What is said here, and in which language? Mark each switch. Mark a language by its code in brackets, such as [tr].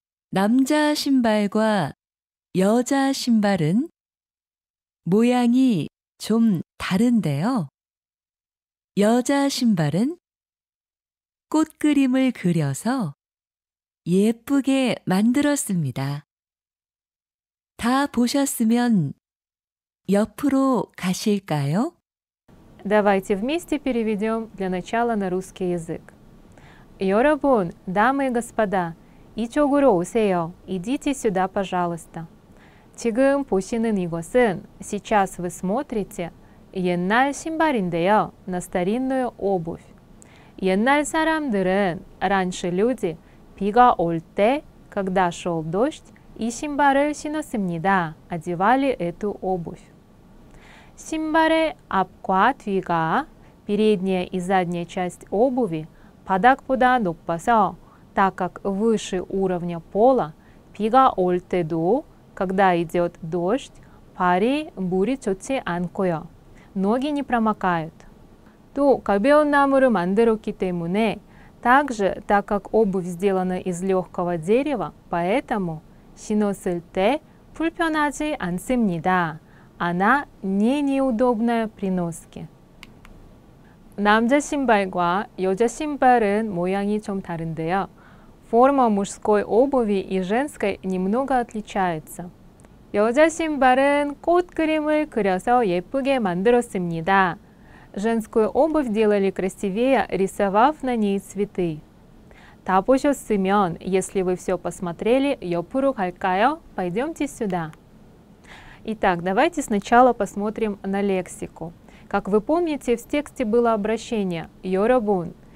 [ko] 남자 신발과 여자 신발은 모양이 좀 다른데요. 여자 신발은 꽃 그림을 그려서 예쁘게 만들었습니다. 다 보셨으면 옆으로 가실까요? [ru] Давайте вместе переведем для начала на русский язык. [ko] 여러분, [ru] дамы и господа, [ko] 이쪽으로 오세요. [ru] Идите сюда, пожалуйста. [ko] 지금 보시는 이것은 [ru] сейчас вы смотрите [ko] 옛날 신발인데요. [ru] На старинную обувь. [ko] 옛날 사람들은 [ru] раньше люди [ko] 비가 올 때, [ru] когда шел дождь, 이 신발을 신었습니다. Одевали эту обувь. [ko] 신발의 앞과 뒤가 [ru] передняя и задняя часть обуви [ko] 바닥보다 높아서 [ru] так как выше уровня пола [ko] 비가 올 때도 [ru] когда идет дождь [ko] 발이 물이 젖지 않고요 [ru] ноги не промокают [ko] 또 가벼운 나무를 만들었기 때문에 [ru] также так как обувь сделана из легкого дерева поэтому [ko] 신었을 때 불편하지 않습니다 [ru] Она не неудобная при носке. [ko] 남자 신발과 여자 신발은 모양이 좀 다른데요. [ru] Форма мужской обуви и женской немного отличается. [ko] 여자 신발은 꽃 그림을 그려서 예쁘게 만들었습니다. [ru] Женскую обувь делали красивее, рисовав на ней цветы. [ko] 다 보셨으면, [ru] если вы все посмотрели, [ko] 옆으로 갈까요? [ru] Пойдемте сюда. Итак, давайте сначала посмотрим на лексику. Как вы помните, в тексте было обращение «йорабун».